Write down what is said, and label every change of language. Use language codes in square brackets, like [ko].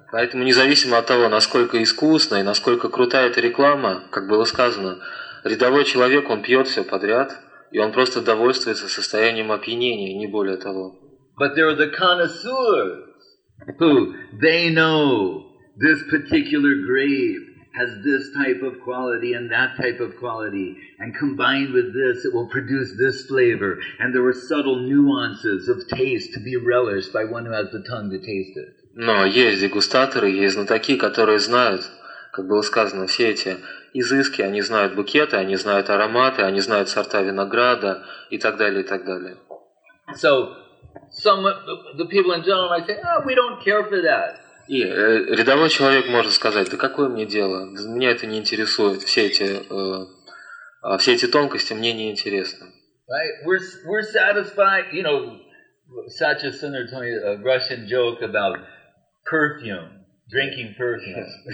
[ru] Поэтому независимо от того, насколько искусна и насколько крута эта реклама, как было сказано, рядовой человек, он пьет все подряд, и он просто довольствуется состоянием опьянения, не более того. [en] But there are the connoisseurs who they know this particular grape has this type of quality and that type of quality, and combined with this, it will produce this flavor. And there were subtle nuances of taste to be relished by one who has the tongue to taste it. [ru] Но есть дегустаторы, есть знатоки, которые знают, как было сказано, все эти изыски. Они знают букеты, они знают ароматы, они знают сорта винограда и так далее, и так далее. [en] So. Some the people in general might say, "Oh, we don't care for that." [ru] И рядовой человек может сказать: "Да какое мне дело? Меня это не интересует. Все эти тонкости мне не интересны." [en] Right? We're satisfied. You know, Satya Sundar told me a Russian joke about perfume, drinking perfume.